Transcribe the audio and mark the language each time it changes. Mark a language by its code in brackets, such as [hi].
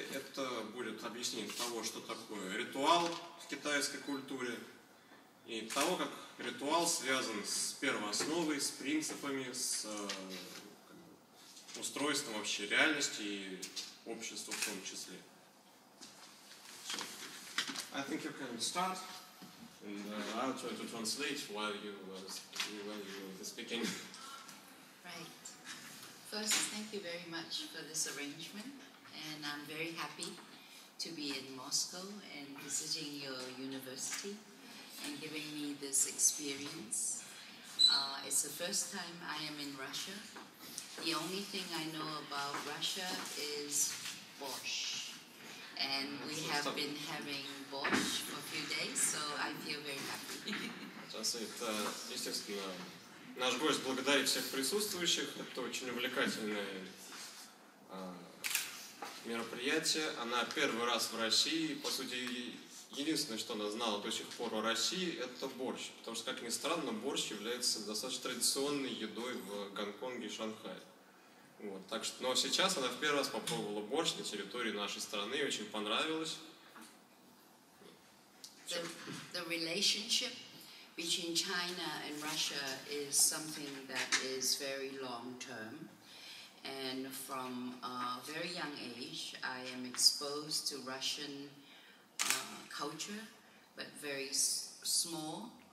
[ru] Это будет объяснение того, что такое ритуал в китайской культуре, и того, как ритуал связан с первоосновой, с принципами, с устройством вообще реальности и общества в том числе. [en] So, I think you can start, and I'll try to translate while you're speaking. Right. First, thank you very much for this arrangement, and I'm very happy to be in Moscow and visiting your university and giving me this experience. It's the first time I am in Russia. The only thing I know about Russia is borscht. And we have been having borscht for a few days, so I feel very happy. [ru] Естественно, наш гость благодарит всех присутствующих. Это очень увлекательное мероприятие. Она первый раз в России, по сути, единственное, что она знала до сих пор о России, это борщ. Потому что, как ни странно, борщ является достаточно традиционной едой в Гонконге и Шанхае. Вот, так что, но сейчас она в первый раз попробовала борщ на территории нашей страны, и очень понравилось. [en] The relationship between China and Russia is something that is very long term. And from a very young age, I am exposed to Russian culture, but very small